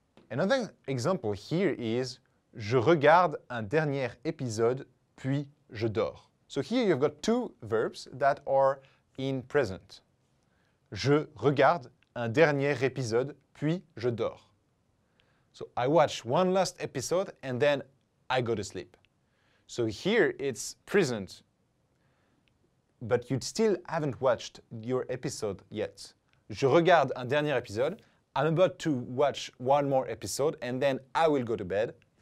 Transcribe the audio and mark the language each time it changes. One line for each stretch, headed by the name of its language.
English: Another example here is,
French: je regarde un dernier épisode, puis je dors.
English: So here you've got two verbs that are in present.
French: Je regarde un dernier épisode, puis je dors.
English: So I watch one last episode and then I go to sleep. So here it's present, but you still haven't watched your episode yet.
French: Je regarde un dernier épisode.
English: I'm about to watch one more episode and then I will go to bed.